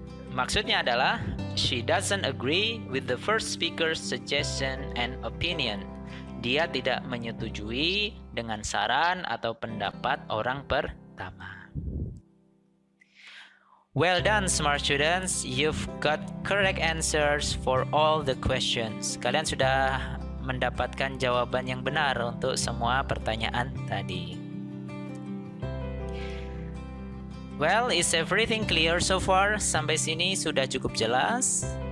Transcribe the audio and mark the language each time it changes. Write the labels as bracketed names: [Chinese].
[Indonesian] Maksudnya adalah, [English] she doesn't agree with the first speaker's suggestion and opinion. [Indonesian] Dia tidak menyetujui dengan saran atau pendapat orang pertama. [English] Well done, smart students. You've got correct answers for all the questions. [Indonesian] Kalian sudah mendapatkan jawaban yang benar untuk semua pertanyaan tadi. [English] Well, is everything clear so far? [Indonesian] Sampai sini sudah cukup jelas?